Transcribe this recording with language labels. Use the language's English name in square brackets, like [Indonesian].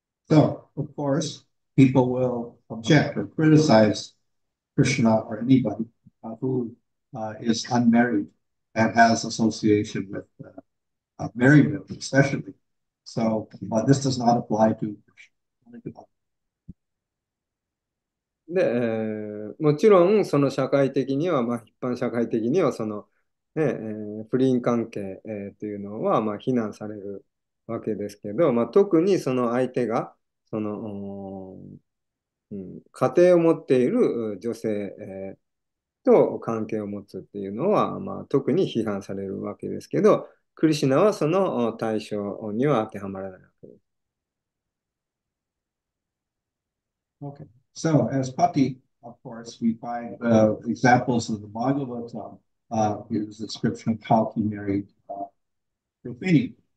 [English] So, of course, people will object or criticize Krishna or anybody who is unmarried and has association with married women, especially. So, but this does not apply to Krishna. [Japanese] で、もちろん、その社会的には、まあ、一般社会的には、その、不倫関係、というのは、まあ、非難されるわけですけど、まあ、特にその相手が、その、家庭を持っている女性、と関係を持つっていうのは、まあ、特に批判されるわけですけど、クリシナはその対象には当てはまらない。 [English] Okay, so as Pati, of course, we find examples of the Bhagavatam, here's a description of how he married Rukmini.